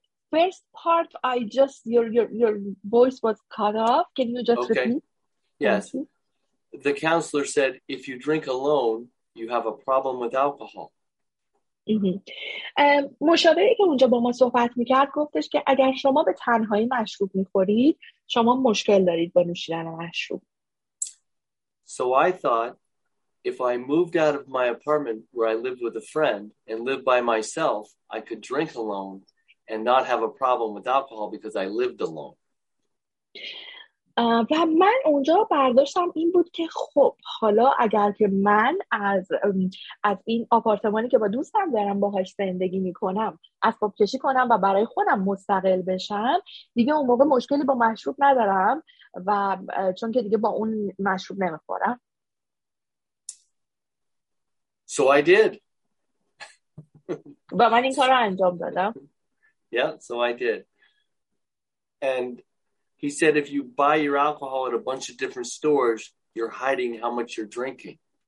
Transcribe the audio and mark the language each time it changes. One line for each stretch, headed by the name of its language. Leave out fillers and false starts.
English: First part, I just your voice was cut off. Can you just repeat? Yes. The counselor said, "If you drink alone, you have a problem with alcohol."
Persian: مشاوری که اونجا با ما صحبت میکرد گفتش که اگر شما به تنهایی مشروب میخورید، شما مشکل دارید با نوشیدن مشروب.
English: So I thought, if I moved out of my apartment where I lived with a friend and lived by myself, I could drink alone and not have a problem with alcohol because I lived alone.
Persian: و من اونجا برداشتم این بود که خب حالا اگر که من از این آپارتمانی که با دوستم دارم باهاش زندگی میکنم اسباب کشی کنم و برای خودم مستقل بشم، دیگه اون موقع مشکلی با مشروب ندارم و چون که دیگه با اون مشروب نمیخورم.
English: So I did.
Persian: و من این کار رو انجام دادم.
English: Yeah, so I did. And he said, if you buy your alcohol at a bunch of different stores, you're hiding how much you're drinking.